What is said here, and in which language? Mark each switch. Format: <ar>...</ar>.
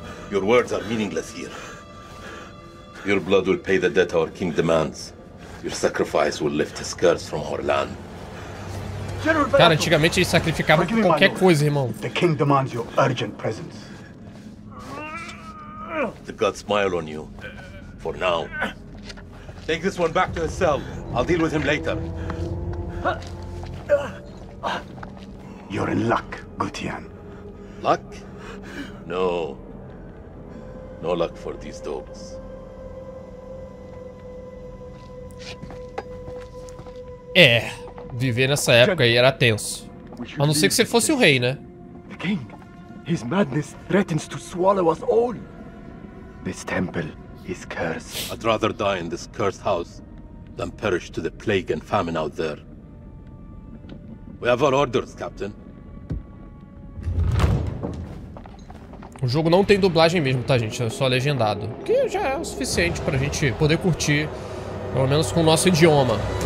<en>Your words are meaningless here. Your blood will pay the debt our king demands. Your sacrifice will lift his curse from our land.</en> <pt>Cara, antigamente ele sacrificava qualquer coisa, irmão.</pt> <en>The king demands your urgent presence. The gods smile on you. For now. Take this one back to his cell. I'll deal with him later. You're in luck, Gutian. Luck? No. No luck for these dogs.</en> <pt>É, viver nessa época aí era tenso. A não ser que você fosse o rei, né?</pt> <en>The king, his madness threatens to swallow us all. This temple is cursed. I'd rather die in this cursed house than perish to the plague and famine out there. We have our orders, Captain.</en> <pt>O jogo não tem dublagem mesmo, tá, gente? É só legendado. O que já é o suficiente pra gente poder curtir, pelo menos com o nosso idioma.</pt>